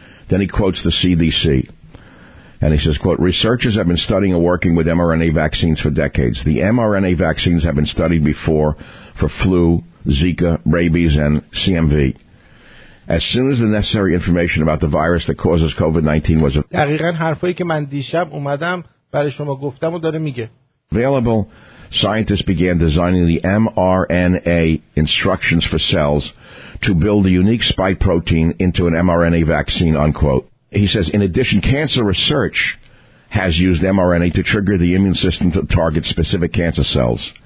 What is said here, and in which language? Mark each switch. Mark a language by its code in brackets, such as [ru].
[en] Then he quotes the CDC. And he says, quote, researchers have been studying and working with mRNA vaccines for decades. The mRNA vaccines have been studied before for flu, Zika, rabies, and CMV. As soon as the necessary information about the virus that causes COVID-19 was [fa] دقیقاً حرفایی که من دیشب اومدم برای شما گفتم و داره میگه. [en] Available, scientists began designing the mRNA instructions for cells to build a unique spike protein into an mRNA vaccine, unquote. He says, in addition, cancer research has used mRNA to trigger the immune system to target specific cancer cells.